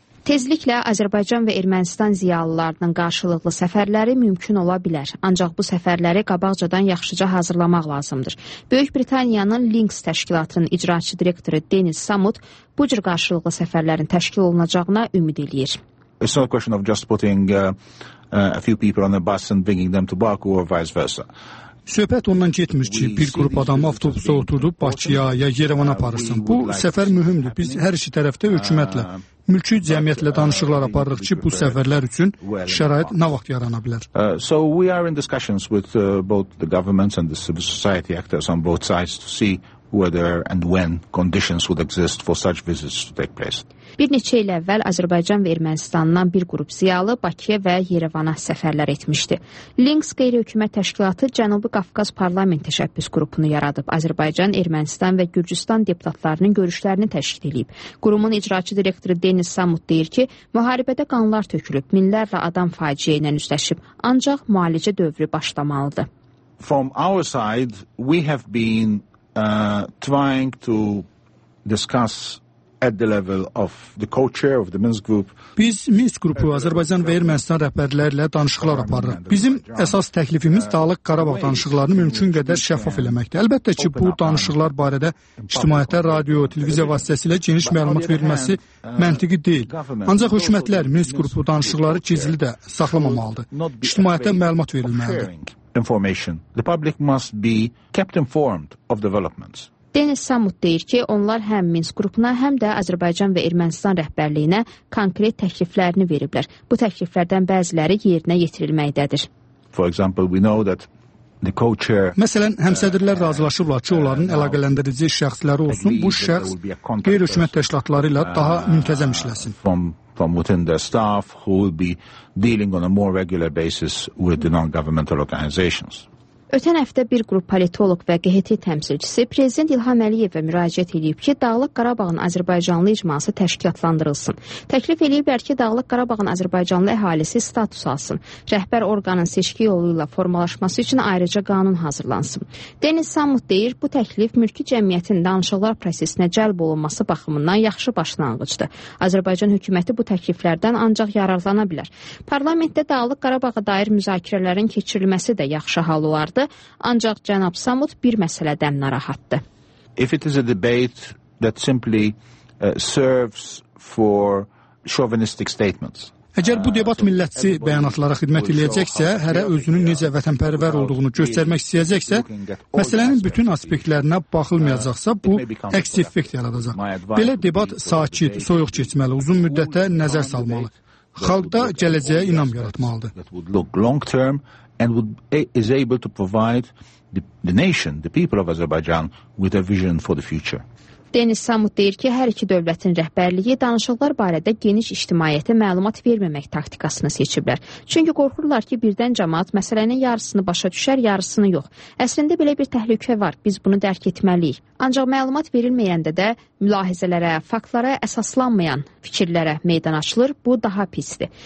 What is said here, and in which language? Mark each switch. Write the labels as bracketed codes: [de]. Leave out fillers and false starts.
[az] Tezliklə Azərbaycan və Ermənistan ziyalılarının qarşılıqlı səfərləri mümkün ola bilər. Ancaq bu səfərləri qabaqcadan yaxşıca hazırlamaq lazımdır. Böyük Britaniyanın Links təşkilatının icraçı direktoru Deniz Samut bu cür qarşılıqlı səfərlərin təşkil olunacağına ümid eləyir. [en] It's not a question of just putting a few people on the bus and bringing them to Baku or vice versa. [az] Söhbət ondan getmir ki, bir qrup adamı avtobusa oturdub Bakıya ya Yerevan aparırsın. Bu səfər mühümdür. Biz hər iki tərəfdə hökumətlə, mülki cəmiyyətlə danışıqlar aparırıq ki, bu səfərlər üçün şərait nə vaxt yarana bilər. [en] So we are in discussions with both the governments and the civil society actors on both sides to see whether and when conditions would exist for such visits to take place. [az] Bir neçə il əvvəl Azərbaycan və Ermənistandan bir qrup ziyalı Bakıya və Yerevana səfərlər etmişdi. Links qeyri-hökumət təşkilatı Cənubi Qafqaz Parlament Təşəbbüs Qrupunu yaradıb. Azərbaycan, Ermənistan və Gürcüstan deputatlarının görüşlərini təşkil edib. Qurumun icraçı direktoru Deniz Samut deyir ki, müharibədə qanlar tökülüb, minlərlə adam faciə ilə üzləşib, ancaq müalicə dövrü başlamalıdır. [en] From our side, we have been trying to discuss at the level of the co-chair of the Minsk group. [az] Biz Minsk qrupu Azərbaycan və Ermənistan rəhbərlərlə danışıqlar aparırıq. Bizim əsas təklifimiz Dağlıq Qarabağ danışıqlarını mümkün qədər şəffaf eləməkdir. Əlbəttə ki, bu danışıqlar barədə ictimaiyyətə radio, televiziya vasitəsilə geniş məlumat verilməsi məntiqi deyil. Ancaq hökumətlər Minsk qrupu danışıqları gizli də saxlamamalıdır. İctimaiyyətə məlumat verilməlidir. [en] Information. The public must be kept informed of developments. [az] Deniz Samut deyir ki, onlar həm Minsk qrupuna, həm də Azərbaycan və Ermənistan rəhbərliyinə konkret təkliflərini veriblər. Bu təkliflərdən bəziləri yerinə yetirilməkdədir. [en] For example, we know that the co-chair. [az] Məsələn, həmsədrlər razılaşıblar ki, onların əlaqələndirici şəxsləri olsun, bu şəxs qeyri-hökumət təşkilatları ilə daha müntəzəm işləsin. [en] From within their staff who will be dealing on a more regular basis with the non-governmental organizations. [az] Ötən həftə bir qrup politoloq və QHT təmsilçisi Prezident İlham Əliyevə müraciət edib ki, Dağlıq Qarabağın Azərbaycanlı icması təşkilatlandırılsın. Təklif ediblər ki, Dağlıq Qarabağın Azərbaycanlı əhalisi status alsın. Rəhbər orqanın seçki yolu ilə formalaşması üçün ayrıca qanun hazırlansın. Deniz Samut deyir, bu təklif mülki cəmiyyətin danışıqlar prosesinə cəlb olunması baxımından yaxşı başlanğıcdır. Azərbaycan hökuməti bu təkliflərdən ancaq yararlana bilər. Parlamentdə Dağlıq Qarabağa dair müzakirələrin keçirilməsi də yaxşı hal olar. Ancaq cənab Samut bir məsələdən narahatdır. [en] If it is a debate that simply serves for chauvinistic statements. [az] Əgər bu debat millətçi bəyanatlara xidmət eləyəcəksə, hərə özünün necə vətənpərvər olduğunu göstərmək istəyəcəksə, məsələnin bütün aspektlərinə baxılmayacaqsa, bu əks effekt yaradacaq. Belə debat sakit, soyuq keçməli, uzun müddətə nəzər salmalı. Xalqda gələcəyə inam yaratmalıdır. [en] And is able to provide the nation, the people of Azerbaijan, with a vision for the future. [az] Denis Samut deyir ki, hər iki dövlətin rəhbərliyi danışıqlar barədə geniş ictimaiyyətə məlumat verməmək taktikasını seçiblər. Çünki qorxurlar ki, birdən cəmaat məsələnin yarısını başa düşər, yarısını yox. Əslində belə bir təhlükə var, biz bunu dərk etməliyik. Ancaq məlumat verilməyəndə də mülahizələrə, faktlara əsaslanmayan fikirlərə meydan açılır, bu daha pisdir.